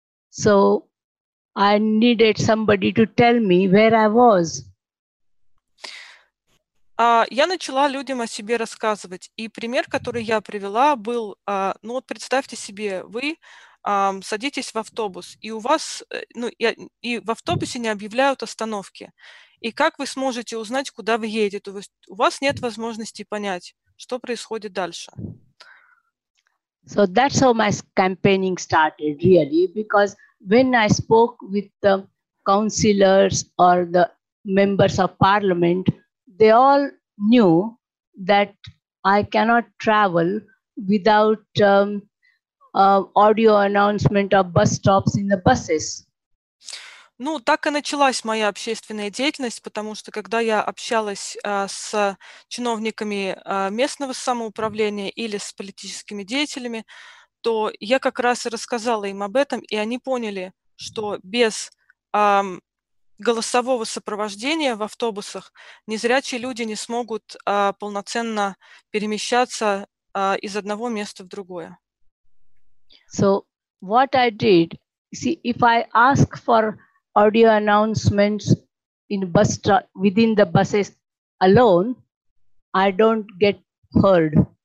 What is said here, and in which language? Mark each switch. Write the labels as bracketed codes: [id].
[en] So I needed somebody to tell me where I was. [ru] Я начала людям о себе рассказывать. И пример, который я привела, был, ну вот представьте себе, вы садитесь в автобус, и у вас, ну, и в автобусе не объявляют остановки. И как вы сможете узнать, куда вы едете? У вас нет возможности понять, что происходит дальше. [en] So that's how my campaigning started, really, because when I spoke with the councillors or the members of parliament, they all knew that I cannot travel without audio announcement of bus stops in the buses. [ru] Ну, так и началась моя общественная деятельность, потому что когда я общалась с чиновниками местного самоуправления или с политическими деятелями, то я как раз и рассказала им об этом, и они поняли, что без голосового сопровождения в автобусах незрячие люди не смогут полноценно перемещаться из одного места в другое. [en] So what I did, see, if I ask for audio announcements in bus within the buses alone, I don't get heard.